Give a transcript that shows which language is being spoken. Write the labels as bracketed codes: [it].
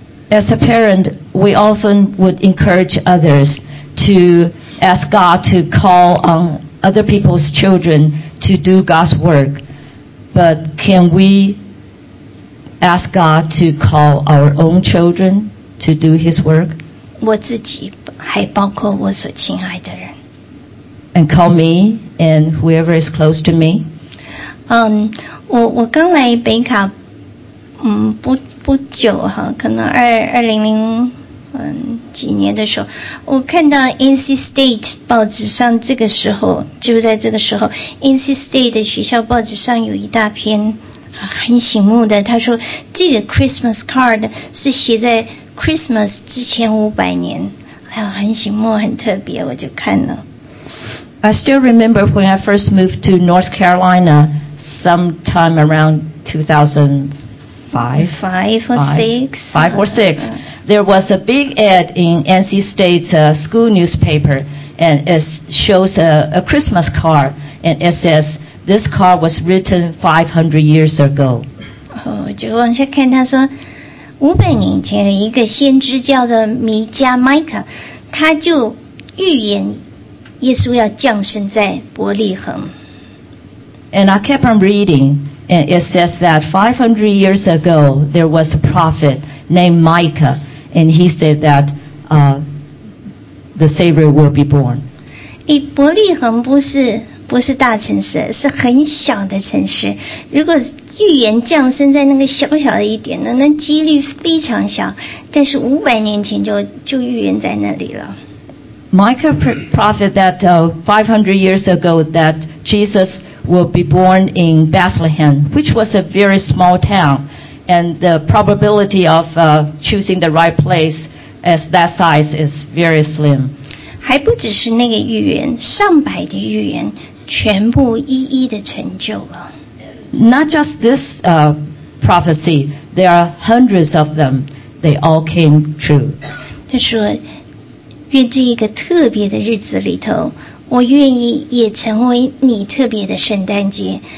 [en] As a parent, we often would encourage others to ask God to call on. Other people's children to do God's work, but can we ask God to call our own children to do His work? [zh] 我自己还包括我所亲爱的人 [en] And call me and whoever is close to me. [zh] 我刚来北卡，不久哈，可能二零零。几年的时候，我看到 NC State 报纸上这个时候，就在这个时候 ，NC State 的学校报纸上有一大篇很醒目的，他说这个 Christmas card 是写在 Christmas 之前500年，哎呀，很醒目，很特别，我就看了。 [en] I still remember when I first moved to North Carolina, sometime around 2005 or 2006. There was a big ad in NC State's school newspaper, and it shows a Christmas card, and it says, this card was written 500 years ago. [zh] 就往下看，他说，500年前有一个先知叫做弥迦麦卡，他就预言耶稣要降生在伯利恒。 [en] And I kept on reading, and it says that 500 years ago, there was a prophet named Micah,And he said that the Savior will be born. [zh] 伯利恒不是大城市，是很小的城市。如果预言降生在那个小小的一点，那几率非常小。但是500年前就预言在那里了。 [en] Micah prophet that 500 years ago that Jesus will be born in Bethlehem, which was a very small town. And the probability of choosing the right place as that size is very slim. [zh] 还不只是那个预言，上百的预言全部一一的成就了。 [en] Not just this prophecy, there are hundreds of them. They all came true. [zh] 他说，愿这一个特别的日子里头，我愿意也成为你特别的圣诞节。